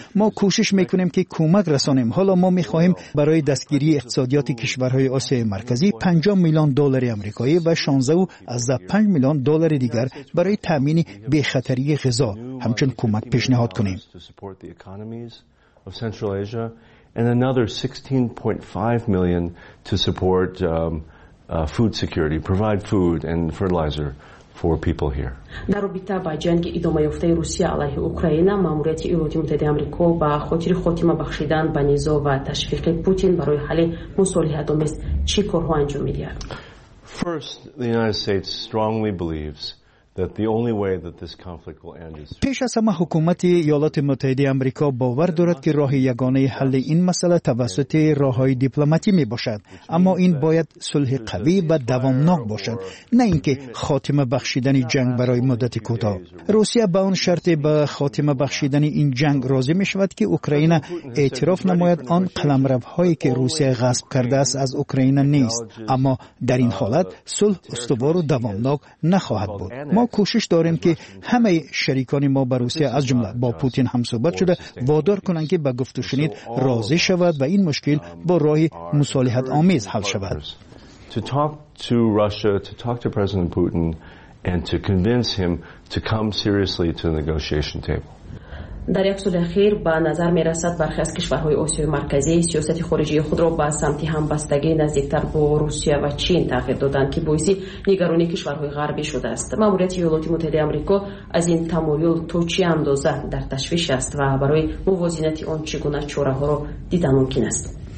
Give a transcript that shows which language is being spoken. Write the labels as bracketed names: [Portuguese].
[Persian] ما کوشش میکنیم که کمک رسانیم. حالا ما میخواهیم برای دستگیری اقتصادیات کشورهای آسیا مرکزی 50 میلیون دلار آمریکایی و 16.5 میلیون دلار دیگر برای تامین بی خطری غذا همچنین کمک پیشنهاد کنیم. [English] And another 16.5 million to support food security, provide food and fertilizer for people here. [Persian] در رابطه با جنگ ادامه یافته روسیه علیه اوکراین، ماموریت ایالات متحده آمریکا با خاطر خاتمه بخشیدن به نزاع و تشویق پوتین برای حل مصالحه‌آمیز چی کارها انجام می‌دهد؟ [English] First, the United States strongly believes that the only way that this conflict will end is [Persian] پیش از همه حکومت ایالات متحده آمریکا باور دارد که راه یگانه حل این مسئله توسط راه‌های دیپلماتیک میباشد، اما این باید صلح قوی و دوامناک باشد، نه اینکه خاتمه بخشیدن جنگ برای مدت کوتاه. روسیه به آن شرط به خاتمه بخشیدن این جنگ راضی می شود که اوکراین اعتراف نماید آن قلمروهایی که روسیه غصب کرده است از اوکراین نیست، اما در این حالت صلح استوار و دوامناک نخواهد بود. ما کوشش داریم که همه شریکان ما به روسیه از جمله با پوتین هم صحبت شده وادار کنند که به گفت و شنید راضی شود و این مشکل با راه مصالحت آمیز حل شود. [English] To talk to Russia, to talk to President Putin and to convince him to come seriously to the negotiation table. [Persian] در یک سال اخیر به نظر می رسد برخی از کشورهای آسیای مرکزی سیاست خارجی خود را به سمت همبستگی نزدیکتر با روسیه و چین تغییر دادند که باعث نگرانی کشورهای غربی شده است. ماموریت ایالات متحده آمریکا از این تمایل تا چه اندازه در تشویش است و برای موازنت آن چگونه چاره ها را دیده ممکن است؟